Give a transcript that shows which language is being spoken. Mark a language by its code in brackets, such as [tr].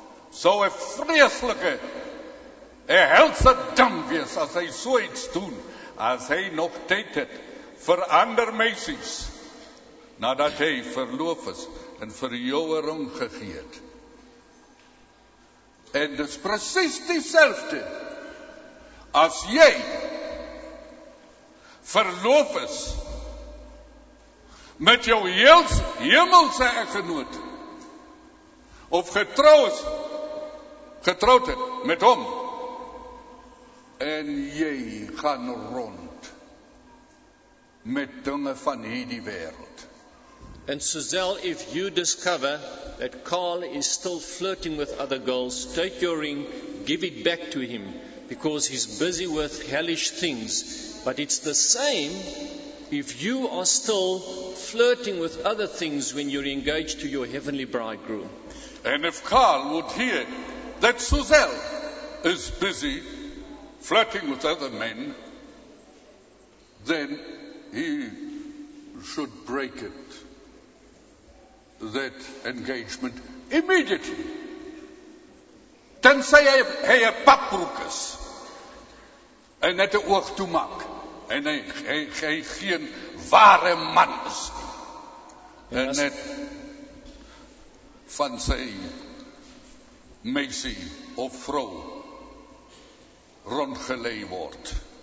[af] Sou 'n vreeslike, 'n helse ding wees as hy so iets doen, as hy nog tyd het vir ander meisies, nadat hy verloof is en vir jou 'n ring gegee het. En dis presies dieselfde as jy verloof is met jou hemelse eggenoot, of getrouwd het met hom, en jy gaan rond met dinge van hierdie wereld. [en] And Suzelle, if you discover that Karl is still flirting with other girls, take your ring, give it back to him, because he's busy with hellish things. But it's the same if you are still flirting with other things when you're engaged to your heavenly bridegroom. And if Karl would hear that Suzelle is busy flirting with other men, then he should break it, that engagement, immediately. [af] Tensy hy 'n pap broek is en net 'n oog toemaak. En hy geen ware man is. En net van sy meisie of vrou rondgelei word.